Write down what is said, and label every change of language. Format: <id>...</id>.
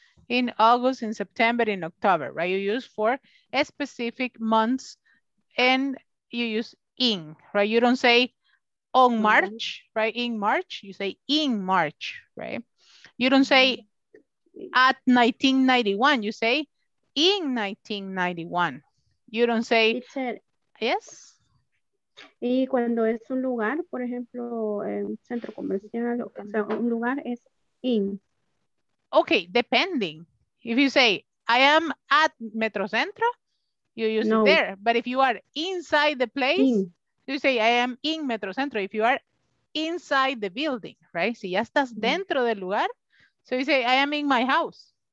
<en>In August, in September, in October, right? You use for a specific months and you use in, right? You don't say on March, right? In March, you say in March, right? You don't say at 1991, you say in 1991. You don't say, yes?</en> <es>Y cuando es un lugar, por ejemplo, centro comercial, o sea, un lugar es in.</es> <en>Okay, depending. If you say, I am at Metrocentro, you use no. it there. But if you are inside the place, in. You say, I am in Metrocentro. If you are inside the building, right?</en> <es>Si ya estás dentro del lugar,</es> <en>so you say, I am in my house.</en>